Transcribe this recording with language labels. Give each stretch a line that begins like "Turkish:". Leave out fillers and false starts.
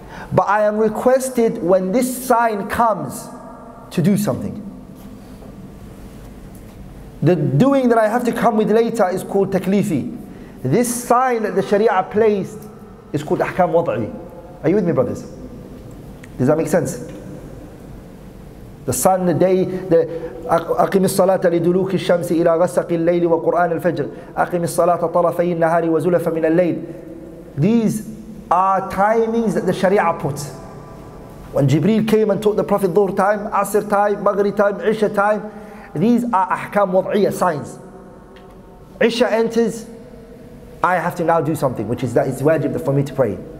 English: But I am requested when this sign comes to do something. The doing that I have to come with later is called taklifi. This sign that the Sharia placed is called ahkam wad'i. Are you with me, brothers? Does that make sense? The sun, the day, the
Arabic: أقم الصلاة لدلوك الشمس إلى غسق الليل وقرآن الفجر أقم الصلاة طرفي النهار وزلفا من الليل.
English: These are timings that the Sharia puts. When Jibreel came and taught the Prophet Dhuhr time, Asr time, Maghrib time, Isha time, these are ahkam wad'iyya, signs. Isha enters, I have to now do something, which is that it's wajib for me to pray.